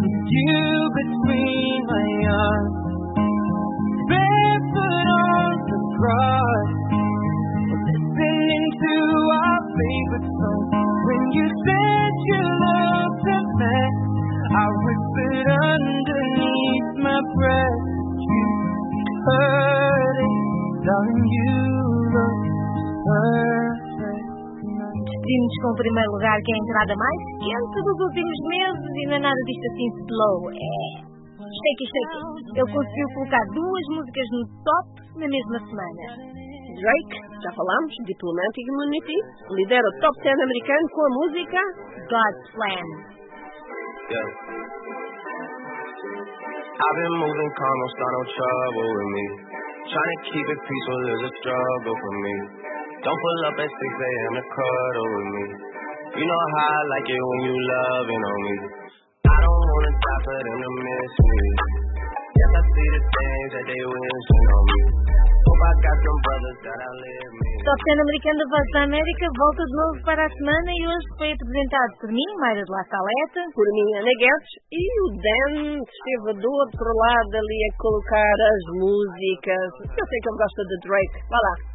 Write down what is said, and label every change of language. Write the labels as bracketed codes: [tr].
[en] You between my arms, barefoot on the cross, listening to our favorite song. When you said you loved me, I whispered underneath my breath, you heard it, darling, you look perfect. [pt] Vimos com o primeiro lugar, que é a entrada mais quente dos últimos meses, e não é nada disto assim slow. É. Shake. Ele conseguiu colocar duas músicas no top na mesma semana. Drake, já falámos, Diplomatic Immunity, lidera o top 10 americano com a música God's Plan. [en] Yeah. I've been moving calm, don't start no trouble with me. Trying to keep it peaceful is a struggle for me. Don't pull up at 6 a.m. to cuddle with me. You know how I like it when you loving on me. I don't wanna die for them to miss me. Yes, I see the things that they wishing on me. Hope I got some brothers that outlive me. [pt] Top 10 americano da Voz da América volta de novo para a semana e hoje foi apresentado por mim, Mayra de La Caleta, por mim, Ana Guedes, e o Dan esteve do outro lado ali a colocar as músicas. Eu sei que ele gosta de Drake. Vá lá.